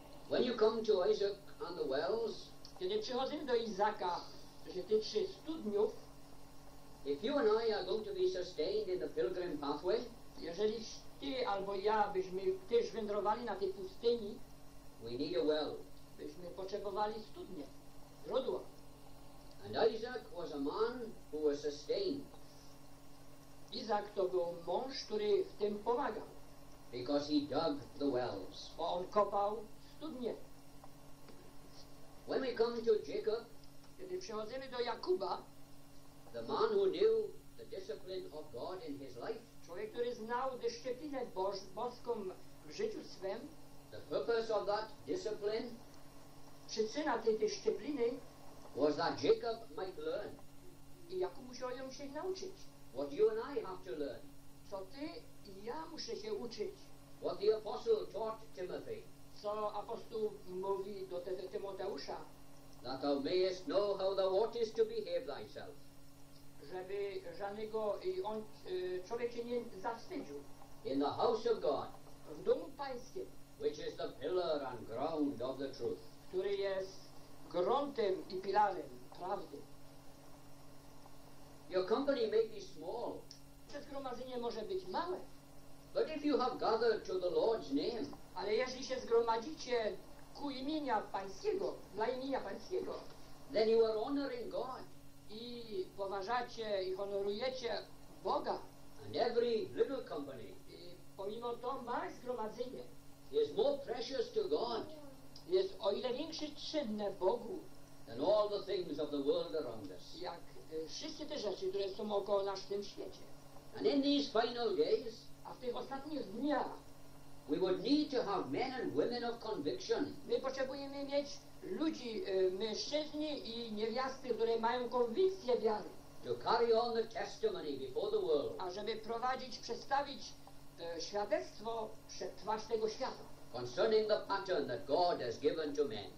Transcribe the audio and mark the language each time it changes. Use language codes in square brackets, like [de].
[en] When you come to Isaac and the wells, [pl] kiedy przychodzimy do Izaka, że te trzy studniów, [en] if you and I are going to be sustained in the pilgrim pathway, [pl] jeżeli ty albo ja byśmy też wędrowali na tej pustyni, [en] we need a well. [pl] Byśmy potrzebowali studnie, źródła. [en] And Isaac was a man who was sustained. [pl] Izak to był mąż, który w tym pomagał. [en] Because he dug the wells. [pl] Bo on kopał studnie. [en] When we come to Jacob, [pl] kiedy przechodzimy do Jakuba, [en] the man who knew the discipline of God in his life, [pl] człowiek, który znał dyscyplinę boską w życiu swym, [en] the purpose of that discipline, [pl] przyczyna tej dyscypliny, [en] was that Jacob might learn, [pl] i Jakub musiał ją się nauczyć, [en] what you and I have to learn, [pl] co ty i ja muszę się uczyć, [en] what the apostle taught Timothy, [pl] co apostoł mówi do Tymoteusza, [en] that thou mayest know how thou oughtest to behave thyself, [pl] żeby żadnego i on człowiek się nie zawstydził. [en] In the house of God, [pl] w domu Pańskim, [en] which is the pillar and ground of the truth, [pl] który jest gruntem i pilarem prawdy. [en] Your company may be small, [pl] to zgromadzenie może być małe, [en] but if you have gathered to the Lord's name, [pl] ale jeśli się zgromadzicie ku imienia Pańskiego, dla imienia Pańskiego, [en] then you are honoring God, [pl] i poważacie i honorujecie Boga. [en] And every little company, [pl] i pomimo to małe zgromadzenie, [en] is more precious to God, [pl] jest o ile większe cenne Bogu, [en] than all the things of the world around us, [pl] jak wszystkie te rzeczy, które są około nas w tym świecie. [en] And in these final days, [pl] a w tych ostatnich dniach, [en] we would need to have men and women of conviction. [pl] My potrzebujemy mieć ludzi, mężczyźni i niewiasty, które mają konwicję wiary. [en] To carry on the testimony before the world. [pl] A żeby prowadzić, przedstawić świadectwo przed twarz tego świata. [en] Concerning the pattern that God has given to men.